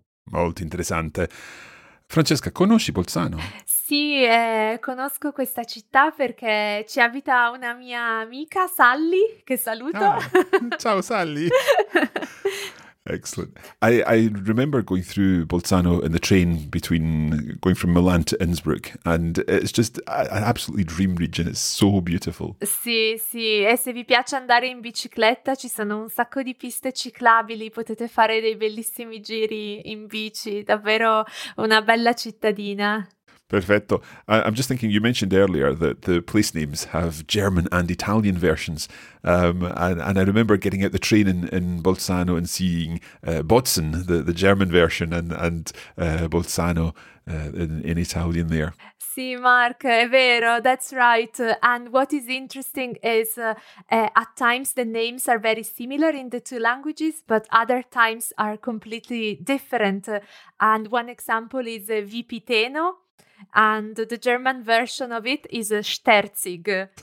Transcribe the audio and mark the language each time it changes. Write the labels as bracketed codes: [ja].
[it] Molto interessante. Francesca, conosci Bolzano? Sì, conosco questa città perché ci abita una mia amica, Sally, che saluto. Ah, ciao, Sally! [en] Excellent. I remember going through Bolzano in the train between going from Milan to Innsbruck, and it's just an absolutely dream region. It's so beautiful. [it] Sì, sì. E se vi piace andare in bicicletta, ci sono un sacco di piste ciclabili. Potete fare dei bellissimi giri in bici. Davvero una bella cittadina. Perfetto. [en] I'm just thinking, you mentioned earlier that the place names have German and Italian versions. And I remember getting out the train in Bolzano and seeing Bozen, the German version, and Bolzano in Italian there. [it] Sì, Mark, è vero, [en] that's right. And what is interesting is at times the names are very similar in the two languages, but other times are completely different. And one example is Vipiteno. And the German version of it is Sterzig.